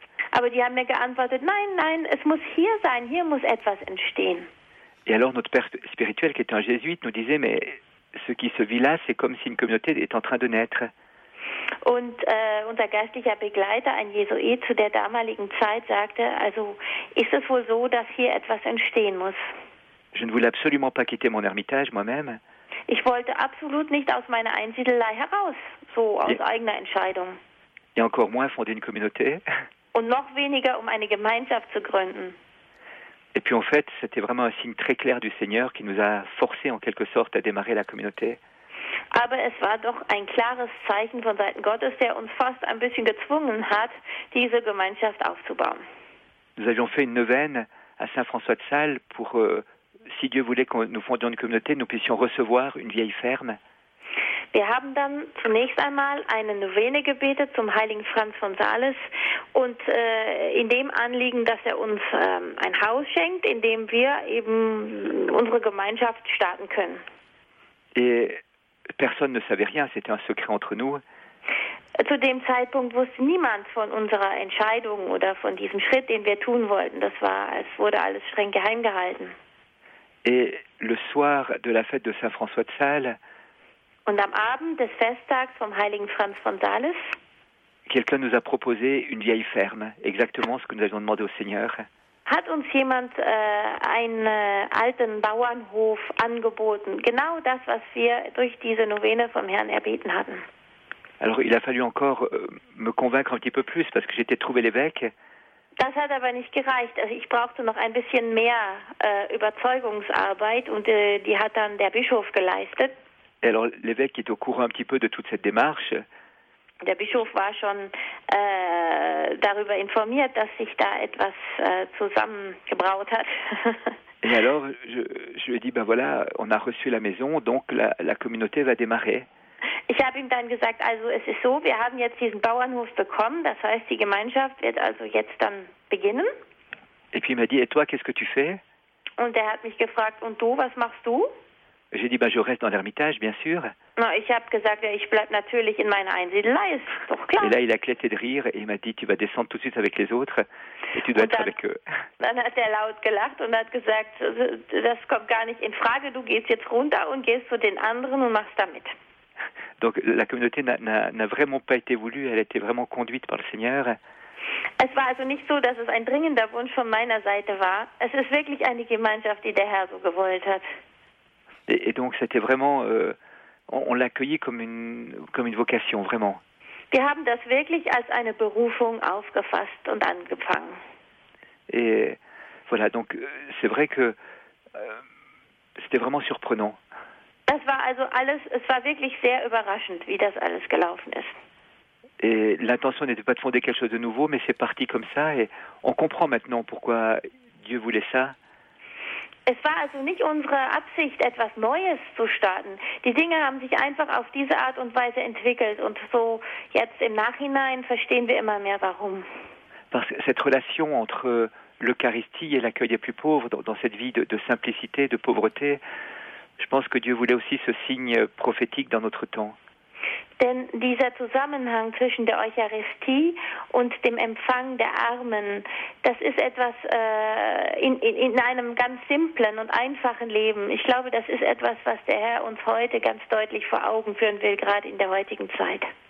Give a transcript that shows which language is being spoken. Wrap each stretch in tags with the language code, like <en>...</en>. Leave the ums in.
<de>Aber die haben mir geantwortet, nein, nein, es muss hier sein, hier muss etwas entstehen.</de> <fr>Et alors, notre père spirituel, qui était un jésuite, nous disait, mais ce qui se vit là, c'est comme si une communauté est en train de naître.</fr> <de>Und äh, unser geistlicher Begleiter, ein Jesuit zu der damaligen Zeit, sagte, also ist es wohl so, dass hier etwas entstehen muss.</de> <fr>Je ne voulais absolument pas quitter mon ermitage moi-même.</fr> <de>Ich wollte absolut nicht aus meiner Einsiedelei heraus, so aus Ja. eigener Entscheidung.</de> <fr>Et encore moins fonder une communauté.</fr> <de>und noch weniger, um eine Gemeinschaft zu gründen.</de> <fr>Et puis en fait, c'était vraiment un signe très clair du Seigneur qui nous a forcés en quelque sorte à démarrer la communauté.</fr> <de>Aber es war doch ein klares Zeichen von Seiten Gottes, der uns fast ein bisschen gezwungen hat, diese Gemeinschaft aufzubauen.</de> <fr>Nous avions fait une neuvaine à Saint-François-de-Sales pour, euh, si Dieu voulait que nous fondions une communauté, nous puissions recevoir une vieille ferme.</fr> <de>Wir haben dann zunächst einmal eine Novene gebetet zum heiligen Franz von Sales und äh, in dem Anliegen, dass er uns ähm, ein Haus schenkt, in dem wir eben unsere Gemeinschaft starten können.</de> <fr>Et personne ne savait rien, c'était un secret entre nous.</fr> <de>Zu dem Zeitpunkt wusste niemand von unserer Entscheidung oder von diesem Schritt, den wir tun wollten. Das war, es wurde alles streng geheim gehalten.</de> <fr>Et le soir de la fête de Saint-François-de-Sales,</fr> <de>Und am Abend des Festtags vom heiligen Franz von Sales</de> <fr>quelqu'un nous a proposé une vieille ferme, exactement ce que nous avions demandé au Seigneur.</fr> <de>hat uns jemand äh, einen äh, alten Bauernhof angeboten. Genau das, was wir durch diese Novene vom Herrn erbeten hatten.</de> <fr>Alors il a fallu encore me convaincre un petit peu plus parce que j'étais trouvé l'évêque.</fr> <de>Das hat aber nicht gereicht. Also ich brauchte noch ein bisschen mehr äh, Überzeugungsarbeit und äh, die hat dann der Bischof geleistet.</de> <fr>Et alors l'évêque est au courant un petit peu de toute cette démarche.</fr> <de>Der Bischof war schon äh, darüber informiert, dass sich da etwas zusammengebraut hat.</de> <fr>Et alors je, je lui ai dit ben voilà, on a reçu la maison, donc la, la communauté va démarrer.</fr> <de>Ich habe ihm dann gesagt, also es ist so, wir haben jetzt diesen Bauernhof bekommen, das heißt, die Gemeinschaft wird also jetzt dann beginnen.</de> <fr>Et puis il m'a dit, et toi, qu'est-ce que tu fais?</fr> <de>Und er hat mich gefragt, und du, was machst du?</de> <fr>J'ai dit, bah, je reste dans l'ermitage, bien sûr.</fr> <de>No, ich habe gesagt, ja, ich bleibe natürlich in meiner Einsiedelei, ist doch klar.</de> <fr>Et là, il a éclaté de rire et il m'a dit, tu vas descendre tout de suite avec les autres et tu dois</fr> <de>Und</de> <fr>être</fr> <de>dann-</de> <fr>avec eux.</fr> <de>Dann hat er laut gelacht und hat gesagt, das kommt gar nicht in Frage, du gehst jetzt runter und gehst zu den anderen und machst da mit.</de> <fr>Donc la communauté n'a- n'a n'a vraiment pas été voulue, elle a été vraiment conduite par le Seigneur.</fr> <de>Es war also nicht so, dass es ein dringender Wunsch von meiner Seite war. Es ist wirklich eine Gemeinschaft, die der Herr so gewollt hat.</de> <fr>Et, et donc c'était vraiment, euh, on, on l'a accueilli comme une, comme une vocation, vraiment.</fr> <de>Wir haben das wirklich als eine Berufung aufgefasst und angefangen.</de> <fr>Et voilà, donc euh, c'est vrai que euh, c'était vraiment surprenant.</fr> <de>Das war also alles, es war wirklich sehr überraschend, wie das alles gelaufen ist.</de> <fr>Et l'intention n'était pas de fonder quelque chose de nouveau, mais c'est parti comme ça et on comprend maintenant pourquoi Dieu voulait ça.</fr> <de>Es war also nicht unsere Absicht, etwas Neues zu starten. Die Dinge haben sich einfach auf diese Art und Weise entwickelt und so jetzt im Nachhinein verstehen wir immer mehr warum.</de> <fr>Parce que cette relation entre euh, l'Eucharistie et l'accueil des plus pauvres dans, dans cette vie de, de simplicité, de pauvreté, je pense que Dieu voulait aussi ce signe euh, prophétique dans notre temps.</fr> <de>Denn dieser Zusammenhang zwischen der Eucharistie und dem Empfang der Armen, das ist etwas äh, in, in, in einem ganz simplen und einfachen Leben. Ich glaube, das ist etwas, was der Herr uns heute ganz deutlich vor Augen führen will, gerade in der heutigen Zeit.</de>